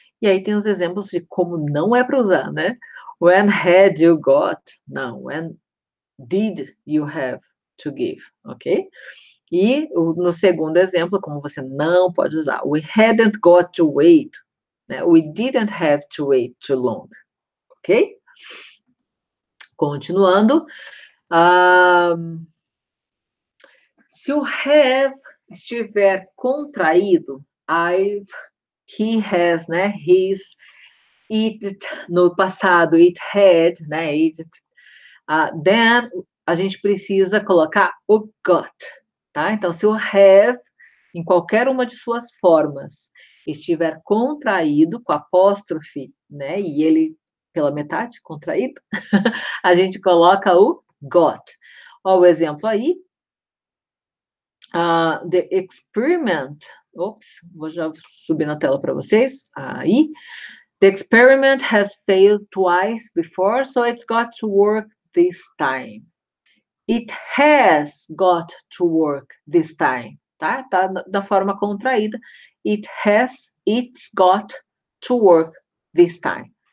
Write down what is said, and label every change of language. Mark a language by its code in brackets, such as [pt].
[pt] E aí tem os exemplos de como não é para usar, né? [en] When had you got? [pt] Não, [en] when did you have to give, ok? [pt] E no segundo exemplo, como você não pode usar, [en] we hadn't got to wait, [pt] né? [en] We didn't have to wait too long, ok? [pt] Continuando. Se o have estiver contraído, I've, he has, né? He's, it, no passado, it had, né? It, then, a gente precisa colocar o got, tá? Então, se o have em qualquer uma de suas formas, estiver contraído, com apóstrofe, né? E ele pela metade, contraído, a gente coloca o got. Olha o exemplo aí. [en] The experiment. [pt] Ops, vou já subir na tela para vocês. Aí. [en] The experiment has failed twice before, so it's got to work this time. It has got to work this time. [pt] Tá? Tá da forma contraída. [en] It has, it's got to work this time.